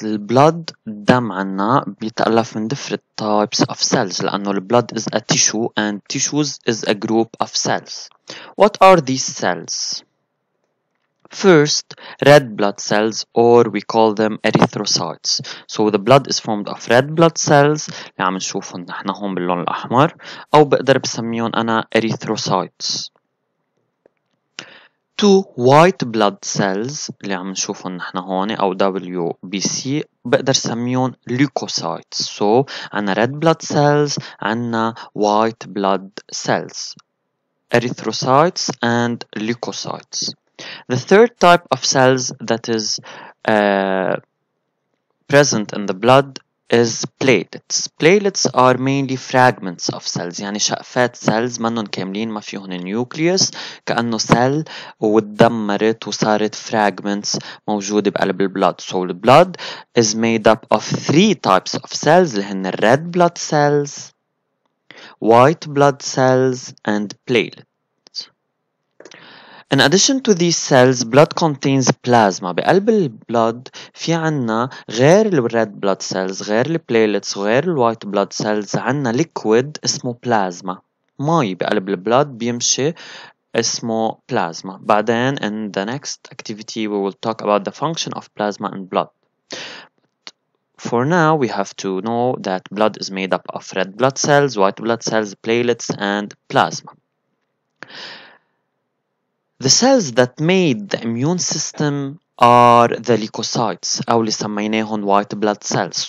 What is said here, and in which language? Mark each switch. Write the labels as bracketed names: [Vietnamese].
[English] Blood, [Arabic] الدم عنا بيتألف من [English] different types of cells [Arabic] لأنه [English] blood is a tissue and tissues is a group of cells. What are these cells? First, red blood cells, or we call them erythrocytes. So the blood is formed of red blood cells [Arabic] اللي عم نشوفهم نحن هون باللون الأحمر أو بقدر بسميهم أنا [English] erythrocytes. Two white blood cells [Arabic] اللي عم نشوفهم نحن هون أو WBC بقدر سميهم leukocytes. [English] So عنا red blood cells عنا white blood cells erythrocytes and leukocytes. The third type of cells that is present in the blood is platelets. Platelets are mainly fragments of cells. [Arabic] يعني شقفات cells منهم كاملين ما فيهم nucleus كأنه cell وتدمرت وصارت fragments موجودة بقلب blood. [English] So the blood is made up of three types of cells [Arabic] اللي هن [English] red blood cells, white blood cells and platelets. In addition to these cells, blood contains plasma. [Arabic] بقلب blood في عنا غير red blood cells, غير platelets, غير white blood cells, عنا liquid اسمه plasma. مي بقلب blood بيمشي اسمه plasma. [English] بعدين in the next activity we will talk about the function of plasma in blood. For now, we have to know that blood is made up of red blood cells, white blood cells, platelets, and plasma. The cells that made the immune system are the leukocytes, [Arabic] أو اللي سميناهم [English] white blood cells.